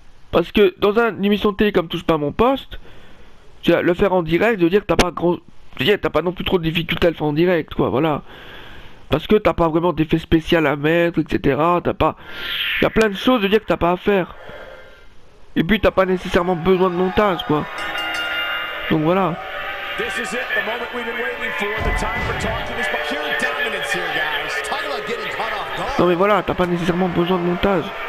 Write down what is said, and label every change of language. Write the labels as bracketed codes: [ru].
[fr] Parce que dans une émission de télé comme Touche pas à mon poste, le faire en direct, ça veut dire que t'as pas grand. T'as pas non plus trop de difficultés à le faire en direct, quoi. Voilà. Parce que t'as pas vraiment d'effet spécial à mettre, etc. T'as pas. Il y a plein de choses, de dire que t'as pas à faire. Et puis, t'as pas nécessairement besoin de montage, quoi. Donc voilà. [en] This is it, the moment we've been waiting for, the time for talking is pure dominance here, guys. Talk about getting caught off guard. [fr] Non mais voilà, t'as pas nécessairement besoin de montage.